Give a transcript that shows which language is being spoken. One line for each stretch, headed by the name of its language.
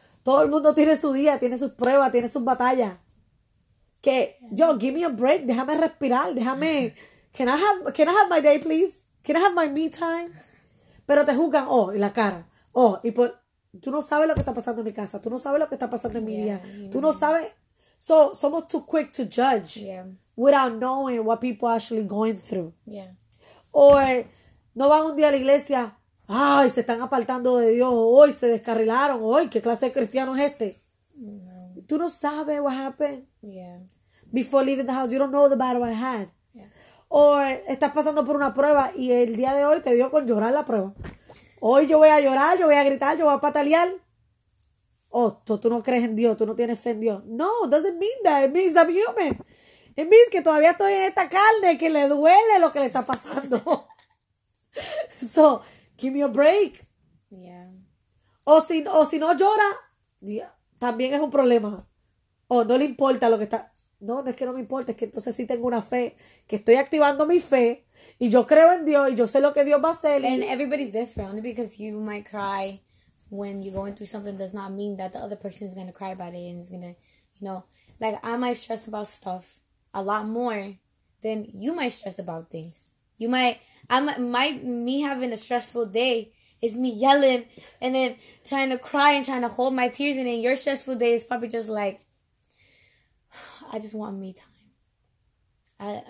Spanish: Todo el mundo tiene su día, tiene sus pruebas, tiene sus batallas.
English: Que, yo, give me a break,
Spanish: déjame respirar, déjame.
English: Can I have my day, please? Can I have my me time?
Spanish: Pero te juzgan, oh, y la cara. Oh, y por, tú no sabes lo que está pasando en mi casa. Tú no sabes lo que está pasando en mi día. Tú no sabes.
English: So, somos too quick to judge without knowing what people are actually going through. Yeah.
Spanish: Or, no van un día a la iglesia. Ay, se están apartando de Dios. Hoy se descarrilaron. Hoy, ¿qué clase de cristiano es este? No. Tú no sabes
English: what happened. Yeah. Before leaving the house, you don't know the battle I had. Yeah.
Spanish: O estás pasando por una prueba y el día de hoy te dio con llorar la prueba. Hoy yo voy a llorar, yo voy a gritar, yo voy a patalear. Oh, tú no crees en Dios, tú no tienes fe en Dios. No,
English: doesn't mean that. It means
Spanish: I'm human. It means que todavía estoy en esta carne, que le duele lo que le está pasando.
English: So, give me a break. Yeah.
Spanish: O si no llora, también es un problema. O no le importa lo que está. No, no es que no me importa, es que entonces sí tengo una fe, que estoy activando mi fe, y yo creo en Dios, y yo sé lo que Dios va a hacer.
English: And everybody's different, only because you might cry when you're going through something does not mean that the other person is going to cry about it and is going to, you know, like I might stress about stuff a lot more than you might stress about things. You might, me having a stressful day is me yelling and then trying to cry and trying to hold my tears, and then your stressful day is probably just like, I just want me time.